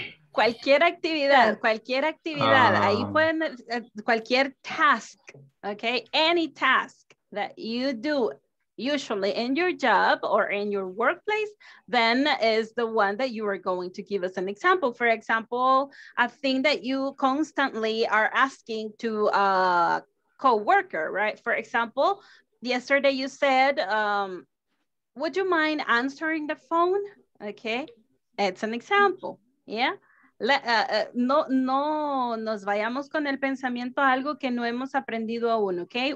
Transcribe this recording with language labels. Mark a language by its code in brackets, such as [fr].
[es] Cualquier actividad, cualquier actividad, ahí pueden, cualquier task, okay? [en] Any task that you do usually in your job or in your workplace, then is the one that you are going to give us an example. For example, a thing that you constantly are asking to a coworker, right? For example, yesterday you said, would you mind answering the phone? Okay, it's an example, yeah? [es] No nos vayamos con el pensamiento a algo que no hemos aprendido aún, ¿ok?